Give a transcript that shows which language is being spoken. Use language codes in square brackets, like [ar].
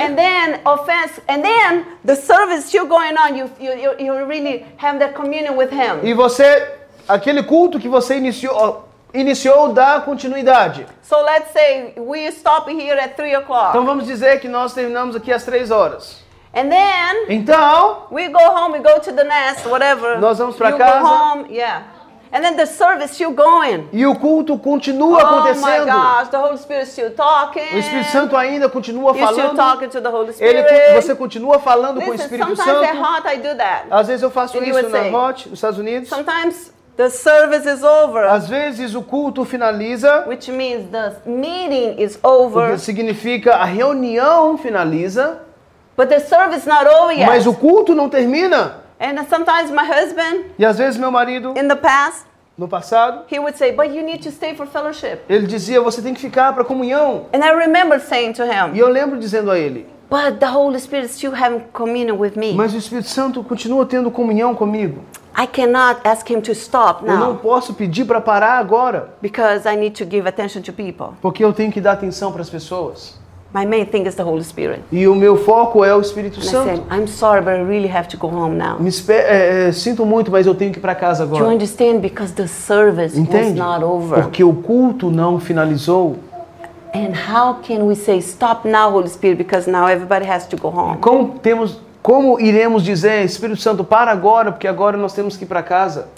[en] And then offense. And then the service still going on. You really have that communion with him. [pt] E você, aquele culto que você iniciou dá continuidade. [en] So let's say we stop here at 3:00. [pt] Então vamos dizer que nós terminamos aqui às 3 horas. [en] And then, [pt] então, [en] we go home, we go to the nest, whatever. [pt] Nós vamos para casa. [en] Go home, yeah. And then the service still going. [pt] E o culto continua acontecendo. [en] Oh my gosh, the Holy Spirit still talking. [pt] O Espírito Santo ainda continua falando. [en] You're still talking to the Holy Spirit. [pt] Você continua falando. [en] Listen, [pt] com o Espírito [en] sometimes [pt] Santo. [en] Sometimes hot, I do that. [pt] Às vezes eu faço isso na Hot, nos Estados Unidos. [en] Sometimes the service is over. [pt] Às vezes o culto finaliza. [en] Which means the meeting is over. [pt] O que significa a reunião finaliza. [en] But the service not over yet. [pt] Mas o culto não termina. [en] And sometimes my husband. [pt] E às vezes meu marido. [en] In the past. [pt] No passado. [en] He would say, "But you need to stay for fellowship." [pt] Ele dizia, você tem que ficar para comunhão. [en] And I remember saying to him. [pt] E eu lembro dizendo a ele. [en] But the Holy Spirit still having communion with me. [pt] Mas o Espírito Santo continua tendo comunhão comigo. [en] I cannot ask him to stop now. [pt] Eu não posso pedir para parar agora. [en] Because I need to give attention to people. [pt] Porque eu tenho que dar atenção para as pessoas. [en] My main thing is the Holy Spirit. [pt] E o meu foco é o Espírito [en] And [pt] Santo. [en] I said, I'm sorry, but I really have to go home now. [pt] Sinto muito, mas eu tenho que ir para casa agora. [en] Do you understand? Because the service [pt] Entende? [en] Was not over. [pt] Porque o culto não finalizou. [en] And how can we say stop now, Holy Spirit, because now everybody has to go home? [pt] Como iremos dizer, Espírito Santo, para agora, porque agora nós temos que ir para casa?